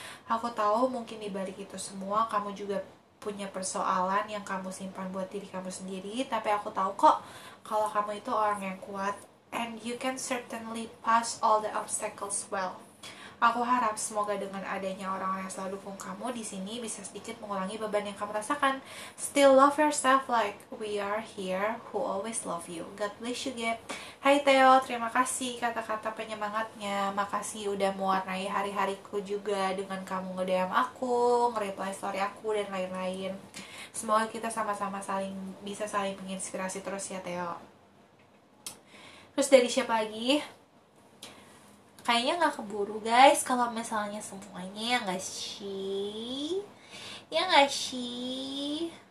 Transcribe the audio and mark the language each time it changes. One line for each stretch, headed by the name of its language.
Indonesian: Aku tahu mungkin di balik itu semua kamu juga punya persoalan yang kamu simpan buat diri kamu sendiri, tapi aku tahu kok kalau kamu itu orang yang kuat
English: and you can certainly pass all the obstacles well.
Indonesian: Aku harap semoga dengan adanya orang-orang yang selalu dukung kamu di sini bisa sedikit mengurangi beban yang kamu rasakan.
English: Still love yourself like we are here who always love you. God bless you,
Indonesian: Gap. Hai Theo, terima kasih kata-kata penyemangatnya. Makasih udah mewarnai hari-hariku juga dengan kamu nge-DM aku, nge-reply story aku, dan lain-lain. Semoga kita sama-sama saling bisa saling menginspirasi terus ya, Theo. Terus dari siapa lagi? Kayaknya gak keburu guys kalau misalnya semuanya, ya gak sih? Ya gak sih?